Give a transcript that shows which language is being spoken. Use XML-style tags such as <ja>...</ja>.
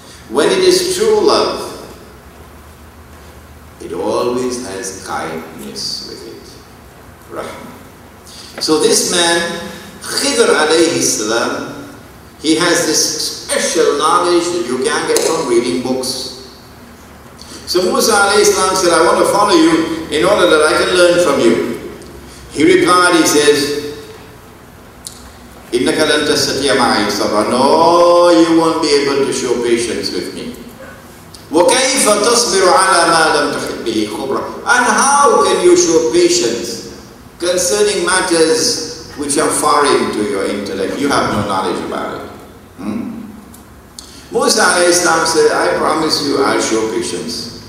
<en>When it is true love, it always has kindness with it. Rahmah. So this man, Khidr alayhi salam, he has this special knowledge that you can't get from reading books. So Musa alayhi salam said, I want to follow you in order that I can learn from you. He replied, he says,</en> <ar>إِنَّكَ لَنْ تَسْتَتِيَ مَعَيْ صَبْرًا.</ar> <en>No, you won't be able to show patience with me.</en> <ar>وَكَيْفَ تَصْبِرُ عَلَى مَا لَمْ تُحِبْ بِهِ خُبْرًا.</ar> <en>And how can you show patience concerning matters which are foreign to your intellect? You have no knowledge about it. Musa alayhi salam said, I promise you I'll show patience.</en>